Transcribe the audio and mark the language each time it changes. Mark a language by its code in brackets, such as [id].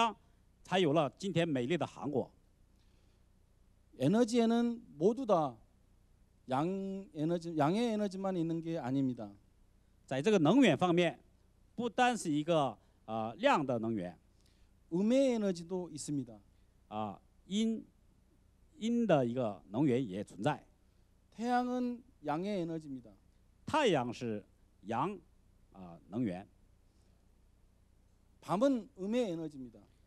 [zh] 但后来我们保护了这个汉江，有了这个汉江美丽的汉江，才有了今天美丽的韩国。 [ko] 에너지에는 모두 다 양 에너지 양의 에너지만 있는 게 아닙니다. [zh] 在这个能源方面，不单是一个量的能源， [ko] 음의 에너지도 있습니다. [zh] 阴的一个能源也存在。 [ko] 태양은 양의 에너지입니다. [zh] 太阳是 양能源 [ko] 밤은 음의 에너지입니다.